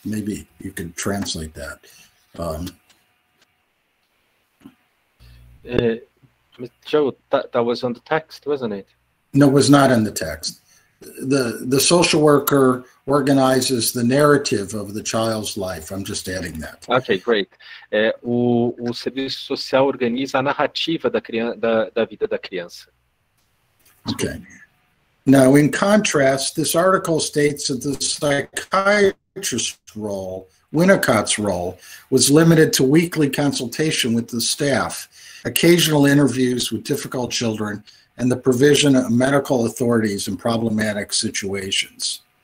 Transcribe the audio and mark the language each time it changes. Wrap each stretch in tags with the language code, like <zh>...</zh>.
<en>Maybe you could translate that. Joe, that was on the text, wasn't it? No, it was not in the text. The social worker organizes the narrative of the child's life. I'm just adding that. Okay, great.</en> <pt>O serviço social organiza a narrativa da vida da criança.</pt> <en>Okay. Now, in contrast, this article states that the psychiatrist's role, Winnicott's role, was limited to weekly consultation with the staff, occasional interviews with difficult children, and the provision of medical authorities in problematic situations.</en>